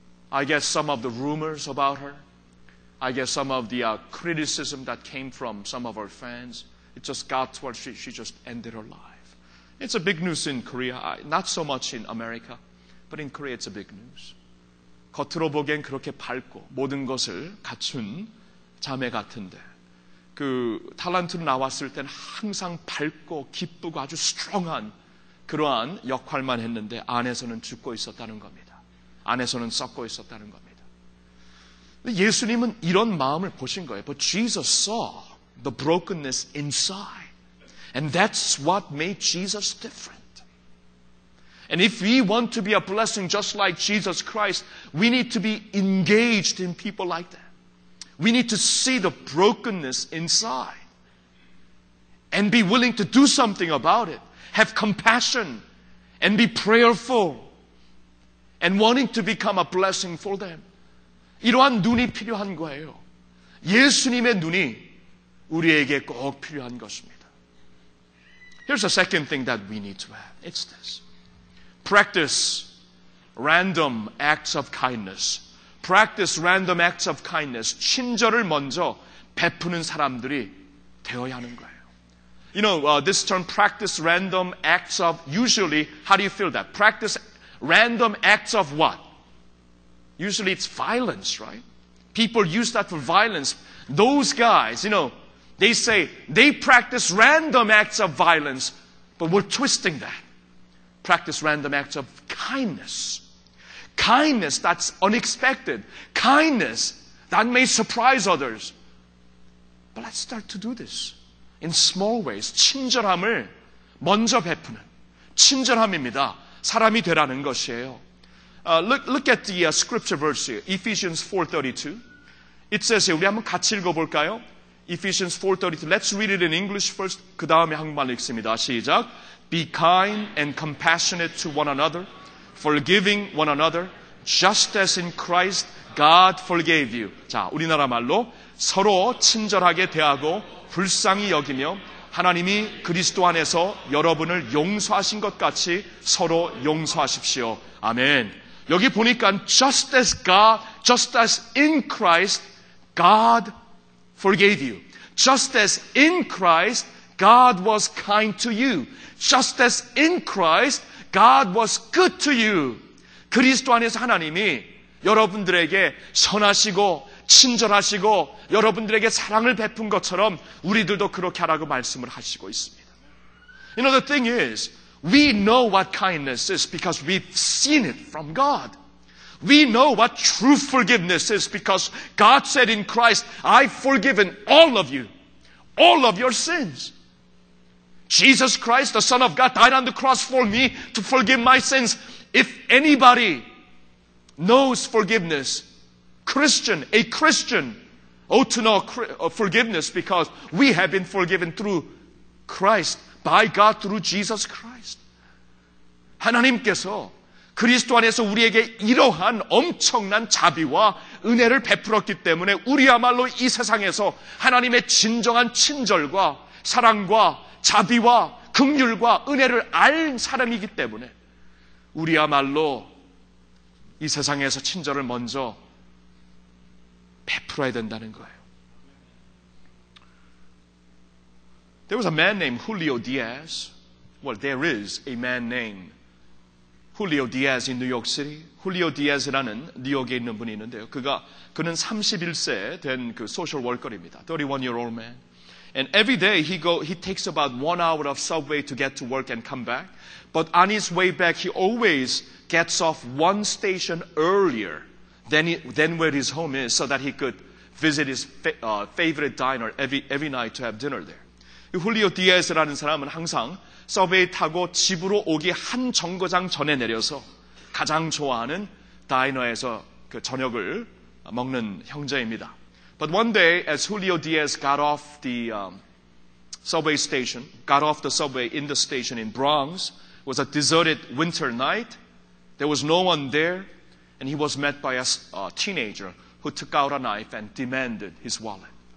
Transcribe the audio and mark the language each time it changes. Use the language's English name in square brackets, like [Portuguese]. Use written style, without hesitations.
[English] I guess some of the rumors about her, I guess some of the criticism that came from some of her fans, it just got to her, she just ended her life. It's a big news in Korea, not so much in America, but in Korea, it's a big news. [Korean] 겉으로 보기엔 그렇게 밝고 모든 것을 갖춘 자매 같은데 그 탤런트로 나왔을 땐 항상 밝고 기쁘고 아주 스트롱한 그러한 역할만 했는데 안에서는 죽고 있었다는 겁니다. 안에서는 썩고 있었다는 겁니다. 예수님은 이런 마음을 보신 거예요. [English] But Jesus saw the brokenness inside. And that's what made Jesus different. And if we want to be a blessing just like Jesus Christ, we need to be engaged in people like that. We need to see the brokenness inside and be willing to do something about it. Have compassion and be prayerful and wanting to become a blessing for them. [Korean] 이러한 눈이 필요한 거예요. 예수님의 눈이 우리에게 꼭 필요한 것입니다. [English] Here's the second thing that we need to have. It's this. Practice random acts of kindness. Practice random acts of kindness. [Korean] 친절을 먼저 베푸는 사람들이 되어야 하는 거예요. [English] You know, this term practice random acts of, usually, how do you feel that? Practice random acts of what? Usually it's violence, right? People use that for violence. Those guys, you know, they say they practice random acts of violence, but we're twisting that. Practice random acts of kindness. Kindness that's unexpected. Kindness that may surprise others. But let's start to do this in small ways. [Korean] 친절함을 먼저 베푸는 친절함입니다. 사람이 되라는 것이에요. [English] Look at the scripture verse here. Ephesians 4:32. It says here, [Korean] 우리 한번 같이 읽어볼까요? Ephesians 4:32. [English] Let's read it in English first. [Korean] 그 다음에 한국말 읽습니다. 시작. [English] Be kind and compassionate to one another, forgiving one another, just as in Christ God forgave you. [Korean] 자, 우리나라 말로 서로 친절하게 대하고 불쌍히 여기며 하나님이 그리스도 안에서 여러분을 용서하신 것 같이 서로 용서하십시오. [English] 아멘. [Korean] 여기 보니까 [English] just as God, just as in Christ God forgave you. Just as in Christ God was kind to you. Just as in Christ, God was good to you. [Korean] 그리스도 안에서 하나님이 여러분들에게 선하시고 친절하시고 여러분들에게 사랑을 베푼 것처럼 우리들도 그렇게 하라고 말씀을 하시고 있습니다. [English] You know, the thing is, we know what kindness is because we've seen it from God. We know what true forgiveness is because God said in Christ, I've forgiven all of you, all of your sins. Jesus Christ, the Son of God, died on the cross for me to forgive my sins. If anybody knows forgiveness, Christian, a Christian, ought to know forgiveness because we have been forgiven through Christ, by God, through Jesus Christ. [Korean] 하나님께서 그리스도 안에서 우리에게 이러한 엄청난 자비와 은혜를 베풀었기 때문에 우리야말로 이 세상에서 하나님의 진정한 친절과 사랑과 자비와 긍휼과 은혜를 알 사람이기 때문에 우리야말로 이 세상에서 친절을 먼저 베풀어야 된다는 거예요. [English] There was a man named Julio Diaz. Well, there is a man named Julio Diaz in New York City. [Korean] Julio Diaz라는 뉴욕에 있는 분이 있는데요. 그는 31세 된 그 소셜 워커입니다. [English] 31-year-old man. And every day he takes about 1 hour of subway to get to work and come back. But on his way back, he always gets off one station earlier than where his home is so that he could visit his favorite diner every night to have dinner there. [Korean] 이 훌리오 디에스라는 사람은 항상 서베이 타고 집으로 오기 한 정거장 전에 내려서 가장 좋아하는 다이너에서 그 저녁을 먹는 형제입니다. [English] But one day, as Julio Diaz got off the subway station, got off the subway in the station in Bronx, it was a deserted winter night. There was no one there, and he was met by a teenager who took out a knife and demanded his wallet.